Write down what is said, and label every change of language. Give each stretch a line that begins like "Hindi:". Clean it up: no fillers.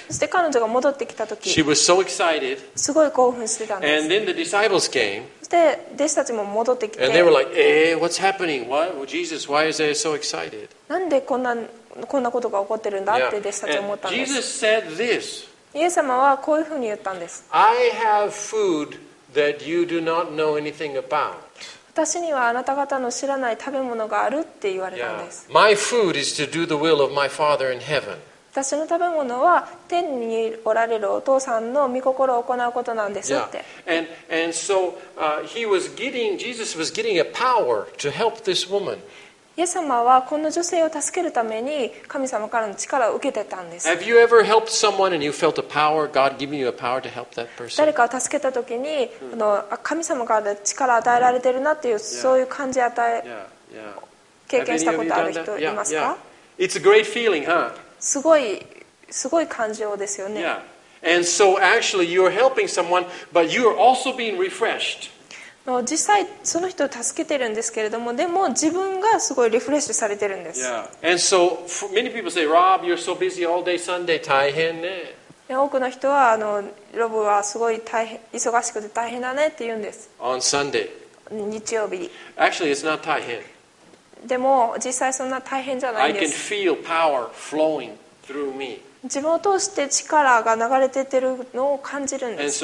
Japanese: そして彼女が戻ってきた時、
English: she was so excited.
Japanese: すごい興奮してたんです。
English: And then the disciples came.
Japanese: そして弟子たちも戻ってきて、
English: and they were like, "Hey, what's happening? What? Well, Jesus, why is they so excited?"
Japanese: なんでこんなことが起こってるんだって弟子たち思ったんです。
English: And Jesus said this.
Japanese: イエス様はこういうふうに言ったんです。
English: I have food that you do not know anything about.
Japanese: 私にはあなた方の知らない食べ物があるって言われたんです。
English: Yeah. My food is to do the will of my Father in heaven.
Japanese: 私の食べ物は天におられるお父さんの御心を行うことなんですって。
English: Yeah. And so, he was getting, Jesus was getting a power to help this woman.
Japanese: イエス様はこの女性を助けるために神様からの力を受けてたんです。
English: Have you ever helped someone and you felt a power, God giving you a power to help that person?
Japanese: 誰かを助けた時に、神様からの力を与えられてるなっていう、yeah. そういう感じ与え、
English: yeah. Yeah.
Japanese: 経験したことある人いますか？
English: Yeah. Yeah. It's a great feeling, huh?
Japanese: すごい感情ですよね。
English: Yeah. And so actually you're helping someone, but you're also being refreshed.
Japanese: 実際その人を助けてるんですけれども、でも自分がすごいリフレッシュされてるんです。
English: Yeah. And so many people say, Rob, you're so busy all day Sunday,
Japanese: 大変ね。多くの人はロブはすごい大変忙しくて大変だねって言うんです。
English: On Sunday.
Japanese: 日曜日。
English: Actually, it's not
Japanese: 大変。でも実際そんな大変じゃないんです。
English: I can feel power flowing through me.
Japanese: 自分を通して力が流れていってるのを感じるんです。